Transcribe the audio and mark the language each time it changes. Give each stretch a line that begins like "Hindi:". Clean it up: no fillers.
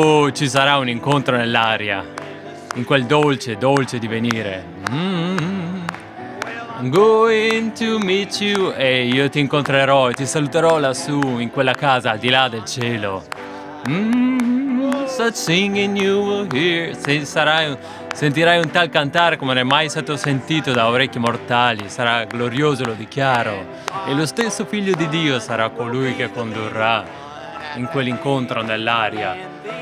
Italian: Ci sarà un incontro nell'aria, in quel dolce, dolce divenire.
English: I'm going to meet you.
Italian: E io ti incontrerò e ti saluterò lassù, in quella casa al di là del cielo.
English: Such singing you will hear.
Italian: Sentirai un tal cantare come non è mai stato sentito da orecchi mortali. Sarà glorioso, lo dichiaro. E lo stesso Figlio di Dio sarà colui che condurrà in quell'incontro nell'aria.